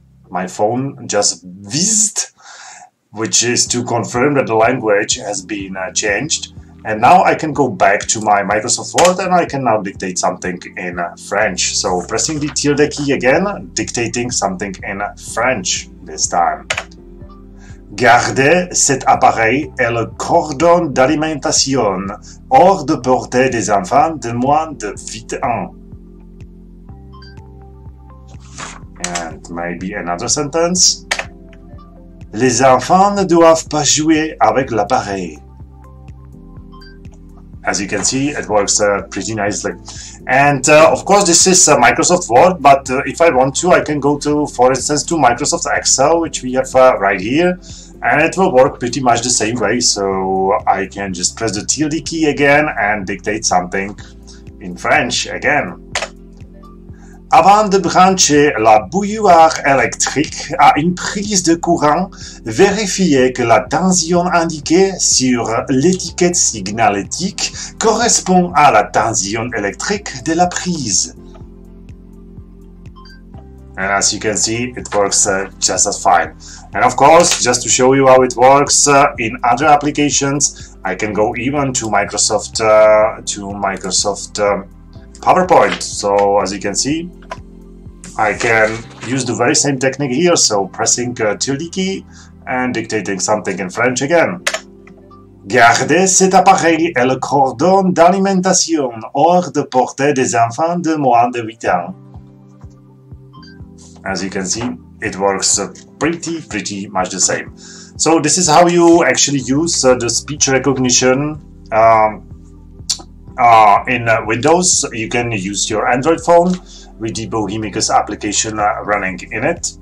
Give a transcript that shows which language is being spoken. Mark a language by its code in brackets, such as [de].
[en] My phone just vzzed, which is to confirm that the language has been changed. And now I can go back to my Microsoft Word and I can now dictate something in French. So pressing the tilde key again, dictating something in French this time. [fr] Gardez cet appareil et le cordon d'alimentation hors de portée des enfants de moins de 8 ans. [en] And maybe another sentence. [fr] Les enfants ne doivent pas jouer avec l'appareil. [en] As you can see, it works pretty nicely. And of course, this is Microsoft Word, but if I want to, I can go to, for instance, to Microsoft Excel, which we have right here, and it will work pretty much the same way. So I can just press the tilde key again and dictate something in French again. [fr] Avant de brancher la bouilloire électrique à une prise de courant, vérifiez que la tension indiquée sur l'étiquette signalétique correspond à la tension électrique de la prise. [en] And as you can see, it works just as fine. And of course, just to show you how it works in other applications, I can go even to Microsoft PowerPoint. So as you can see, I can use the very same technique here. So pressing tilde key and dictating something in French again. [fr] Gardez cet appareil et le cordon d'alimentation hors de portée des enfants de moins de 8 ans. [en] As you can see, it works pretty much the same. So this is how you actually use the speech recognition in Windows. You can use your Android phone with the Bohemicus application running in it.